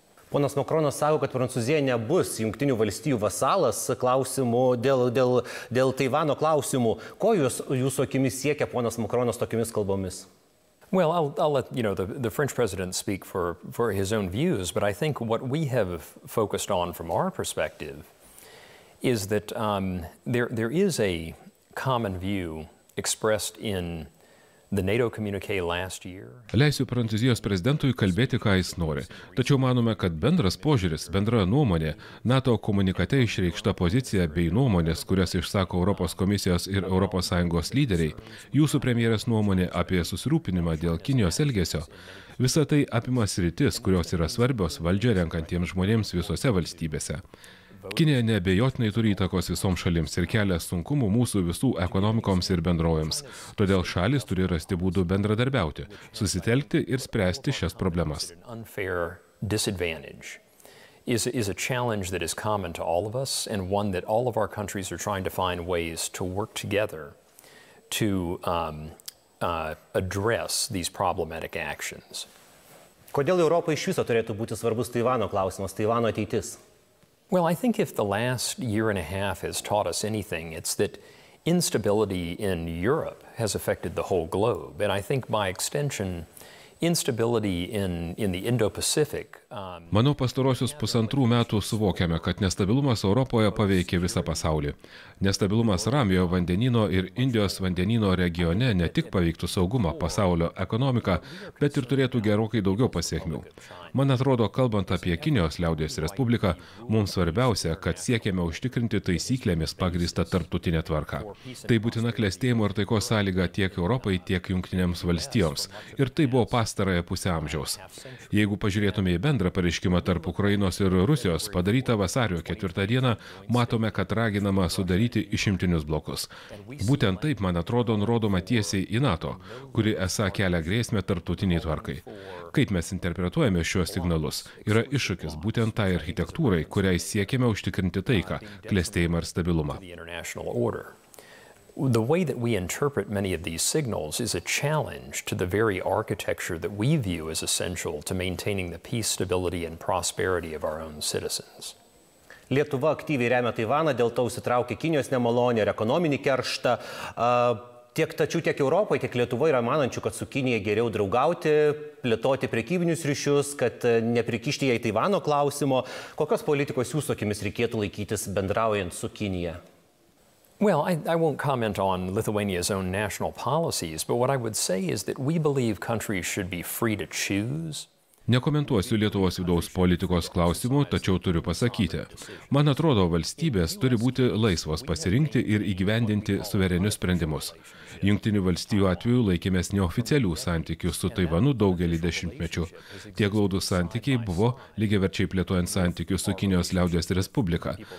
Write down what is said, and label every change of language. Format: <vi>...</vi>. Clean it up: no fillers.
<lt>Ponas Makronas sako, kad Prancūzija nebus Jungtinių valstybių vasalas klausimų dėl Taivano klausimų. Ko jūsų akimis siekia ponas Makronas tokiamis kalbomis?</lt> <en>Well, I'll let, you know, the French president speak for his own views, but I think what we have focused on from our perspective is that there is a common view expressed in the NATO communique last year.</en> <lt>Leisiu Prancūzijos prezidentui kalbėti, ką jis nori. Tačiau manome, kad bendras požiūris, bendra nuomonė, NATO komunikate išreikšta pozicija bei nuomonės, kurias išsako Europos komisijos ir Europos Sąjungos lyderiai, jūsų premjeras nuomonė apie susirūpinimą dėl Kinijos elgesio, visa tai apima sritis, kurios yra svarbios valdžia renkantiems žmonėms visose valstybėse. Kinija neabejotinai turi įtakos visoms šalims ir kelia sunkumų mūsų visų ekonomikoms ir bendrovėms. Todėl šalis turi rasti būdų bendradarbiauti, susitelkti ir spręsti šias problemas.</lt> <en>Is a challenge that is common to all of us and one that all of our countries are trying to find ways to work together to address these problematic actions.</en> <lt>Kodėl Europai iš viso turėtų būti svarbus Taivano klausimas, Taivano ateitis?</lt> <en>Well, I think if the last year and a half has taught us anything, it's that instability in Europe has affected the whole globe. And I think by extension, instability in the Indo-Pacific.</en> <lt>Manau, pastarosius pusantrų metų suvokiame, kad nestabilumas Europoje paveikė visą pasaulį. Nestabilumas Ramiojo vandenyno ir Indijos vandenyno regione ne tik paveiktų saugumą, pasaulio ekonomiką, bet ir turėtų gerokai daugiau pasiekmių. Man atrodo, kalbant apie Kinijos Liaudies Respubliką, mums svarbiausia, kad siekiame užtikrinti taisyklėmis pagrįstą tarptautinę tvarką. Tai būtina klestėjimo ir taikos sąlyga tiek Europai, tiek Jungtinėms valstijoms. Ir tai buvo pastarąją pusę amžiaus. Jeigu pažiūrėtume į bendrą pareiškimą tarp Ukrainos ir Rusijos, padarytą vasario 4 dieną, matome, kad raginama sudaryti išimtinius blokus. Būtent taip, man atrodo, nurodoma tiesiai į NATO, kuri esą kelia grėsmę tarptautiniai tvarkai. Kaip mes interpretuojame šiuos signalus, yra iššūkis būtent tai architektūrai, kuriai siekiame užtikrinti taiką, klestėjimą ir stabilumą.</lt> <en>The way that we interpret many of these signals is a challenge to the very architecture that we view as essential to maintaining the peace, stability and prosperity of our own citizens.</en> <lt>Lietuva aktyviai remia Taivaną, dėl to užsitraukė Kinijos nemalonį ir ekonominį kerštą. Tiek Europoje, tiek Lietuvoje yra manančių, kad su Kinija geriau draugauti, plėtoti prekybinius ryšius, kad neprikišti jai Taivano klausimo. Kokios politikos jūsų akimis reikėtų laikytis bendraujant su Kinija?</lt> <en>Well, I won't comment on Lithuania's own national policies, but what I would say is that we believe countries should be free to choose.</en> <lt>Nekomentuosiu Lietuvos vidaus politikos klausimų, tačiau turiu pasakyti. Man atrodo, valstybės turi būti laisvos pasirinkti ir įgyvendinti suverenius sprendimus. Jungtinių valstijų atveju laikėmės neoficialių santykių su Taivanu daugelį dešimtmečių. Tie glaudūs santykiai buvo lygiaverčiai plėtojant santykių su Kinijos Liaudies Respublika.</lt>